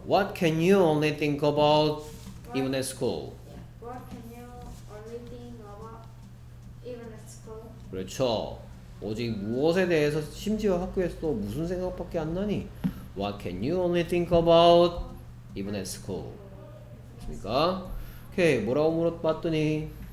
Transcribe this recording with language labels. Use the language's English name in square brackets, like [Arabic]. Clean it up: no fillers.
[English] What can you only think about even at school? What can you only think about even at school? [Korean] 그렇죠. 오직 무엇에 대해서 심지어 학교에서도 무슨 생각밖에 안 나니? [English] What can you only think about even at school? [Korean] 그러니까 오케이 뭐라고 물어봤더니